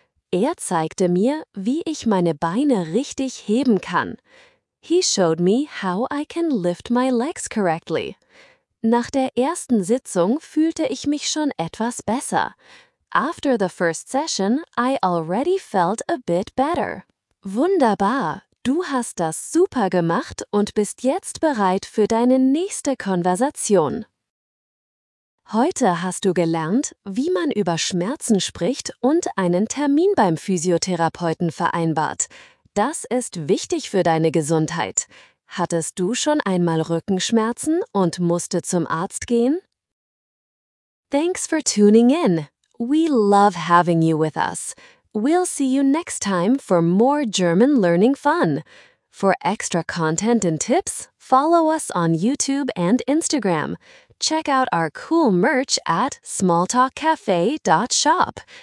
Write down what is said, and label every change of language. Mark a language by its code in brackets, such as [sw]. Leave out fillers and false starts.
[de] Er zeigte mir, wie ich meine Beine richtig heben kann. [en] He showed me how I can lift my legs correctly. [de] Nach der ersten Sitzung fühlte ich mich schon etwas besser. [en] After the first session, I already felt a bit better. [de] Wunderbar! Du hast das super gemacht und bist jetzt bereit für deine nächste Konversation. Heute hast du gelernt, wie man über Schmerzen spricht und einen Termin beim Physiotherapeuten vereinbart. Das ist wichtig für deine Gesundheit. Hattest du schon einmal Rückenschmerzen und musste zum Arzt gehen? [en] Thanks for tuning in! We love having you with us. We'll see you next time for more German learning fun. For extra content and tips, follow us on YouTube and Instagram. Check out our cool merch at smalltalkcafe.shop.